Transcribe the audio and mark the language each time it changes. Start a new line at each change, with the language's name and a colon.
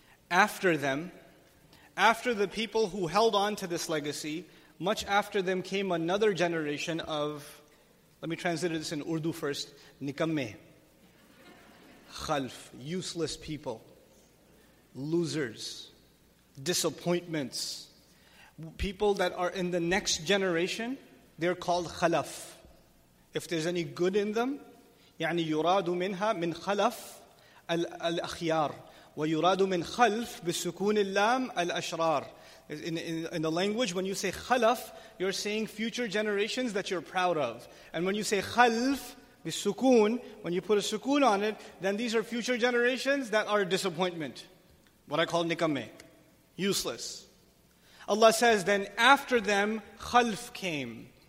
English: After them, after the people who held on to this legacy, much after them came another generation of, let me translate this in Urdu first, nikamme. Khalf, useless people, losers, disappointments. People that are in the next generation, they're called khalaf. If there's any good in them,
Arabic: يعني يراد منها من خلف الأخيار ويراد من خلف بسكون اللام الأشرار.
English: In the language, when you say khalaf, you're saying future generations that you're proud of. And when you say khalf, بسكون, when you put a sukoon on it, then these are future generations that are a disappointment. What I call nikame, useless. Allah says, then after them, khalf came.